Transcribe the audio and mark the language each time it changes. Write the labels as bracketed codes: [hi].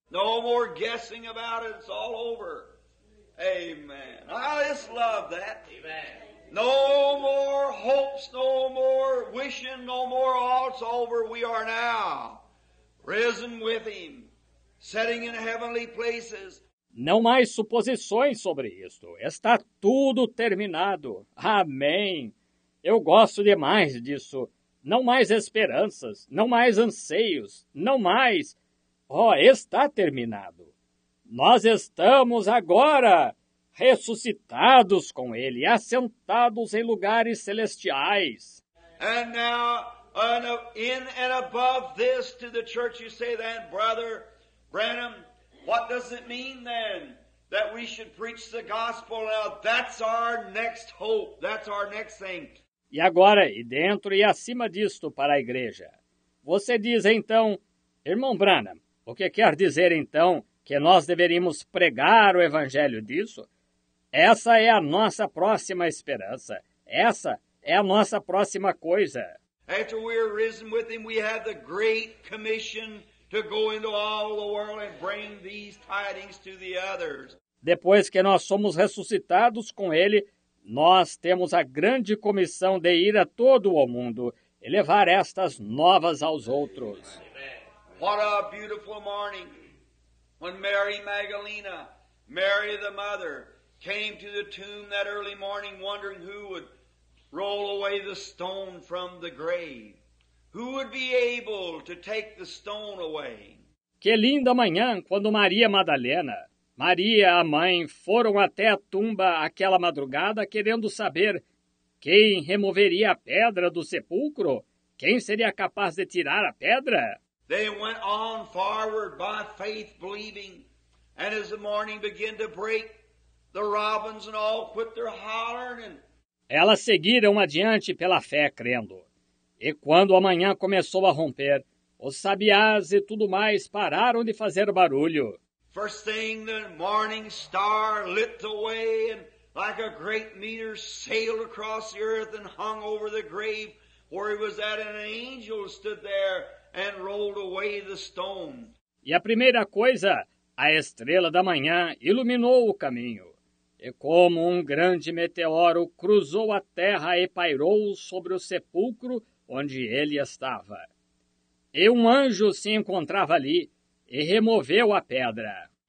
[en] No more guessing about it, it's all over. Amen. I just love that. Amen. No more hopes, no more wishing, no more all, it's over. We are now risen with him, sitting in heavenly places. [pt] Não mais suposições sobre isto. Está tudo terminado. Amém. Eu gosto demais disso. Não mais esperanças, não mais anseios, não mais. Oh, está terminado. Nós estamos agora ressuscitados com ele, assentados em lugares celestiais. [en] And now, in and above this, to the church, you say then, Brother Branham, what does it mean then that we should preach the gospel now? That's our next hope. That's our next thing. [pt] E agora, e dentro e acima disto para a igreja, você diz então, Irmão Branham, o que quer dizer então que nós deveríamos pregar o evangelho disso? Essa é a nossa próxima esperança. Essa é a nossa próxima coisa. [en] After we are risen with him, we have the great commission to go into all the world and bring these tidings to the others. [pt] Depois que nós somos ressuscitados com ele, nós temos a grande comissão de ir a todo o mundo e levar estas novas aos outros. [en] What a beautiful morning when Mary Magdalena, Mary the mother, came to the tomb that early morning wondering who would roll away the stone from the grave. Who would be able to take the stone away? [pt] Que linda manhã quando Maria Madalena, Maria a mãe, foram até a tumba aquela madrugada querendo saber quem removeria a pedra do sepulcro, quem seria capaz de tirar a pedra. [en] They went on forward by faith believing, and as the morning began to break, the robins and all quit their hollering. [pt] Elas seguiram adiante pela fé, crendo. E quando a manhã começou a romper, os sabiás e tudo mais pararam de fazer barulho. [en] First thing, the morning star lit the way, and like a great meteor sailed across the earth and hung over the grave where he was at, and an angel stood there and rolled away the stone. [pt] E a primeira coisa, a estrela da manhã iluminou o caminho. E como um grande meteoro cruzou a terra e pairou sobre o sepulcro onde ele estava. E um anjo se encontrava ali e removeu a pedra.